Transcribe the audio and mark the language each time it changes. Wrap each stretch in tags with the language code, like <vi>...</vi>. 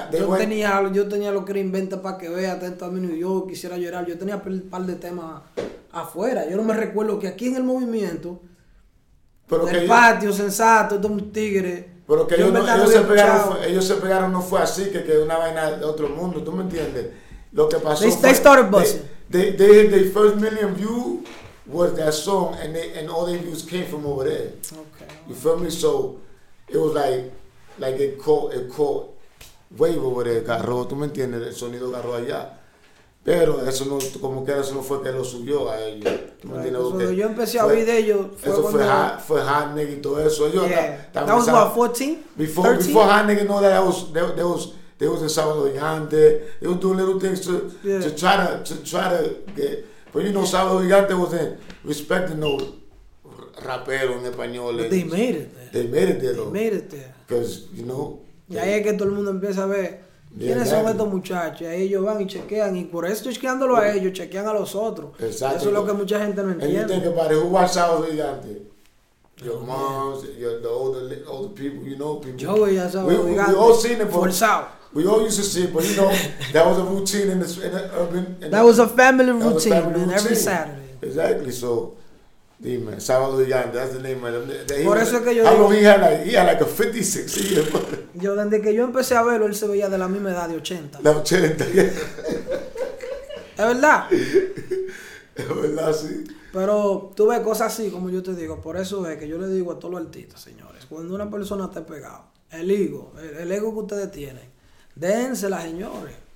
<es>yo tenía lo que era Inventa para que vea, atento a mí, New York, quisiera llorar. Yo tenía un par de temas afuera. Yo no me recuerdo que aquí en el movimiento, pero del patio, sensato, todo un tigre. Pero que ellos se pegaron, no fue así, que quedó una vaina de otro mundo, ¿tú me entiendes? Lo que pasó</es> <en>they started buzzing. They first million views was that song and all the views came from over there. Okay. You feel me? So it was like it caught wave over there, garro,</en> <es>tú me entiendes, el sonido garro allá. Pero eso no, como que eso no fue que lo subió a ellos. ¿Tú me entiendes? Right. Yo empecé a oír de ellos. Fue Hot Nigga y todo eso. Ellos</es> <en>That was about 14? Before Hot Nigga, no, that was there was a Sábado Gigante. They were doing little things to try to get. But you know, Sábado Gigante was in respect to</en> <es>no rapero en español.</es> <en>But they made it there. They made it there, though. They made it there. Because, you know.</en> <es>Y ahí es que todo el mundo empieza a ver quiénes son estos muchachos. Y ahí ellos van y chequean. Y por eso chequeándolo a ellos, chequean a los otros. Exacto. Eso es lo que mucha gente no entiende.</es> <en>And you think about it, who watched Sábado Gigante? Your moms, the older people, you know, people.</en> <es>Yo veía Sábado Gigante.</es> <en>We all seen it before.</en> <es>Forzado.</es> <en>We all used to see it, but you know, that was a routine in the urban. That was a family routine, every Saturday. Exactly, so, dime, Sábado Gigante, that's the name of him.</en> <es>Por eso que yo</es> <en>digo. He had like a 56 year.</en> <es>Yo, desde que yo empecé a verlo, él se veía de la misma edad, de 80. La 80, yeah. Es verdad. Es verdad, sí. Pero tú ves cosas así, como yo te digo, por eso es que yo le digo a todos los artistas, señores, cuando una persona está pegada, el ego que ustedes tienen, dénsela, señores.</es>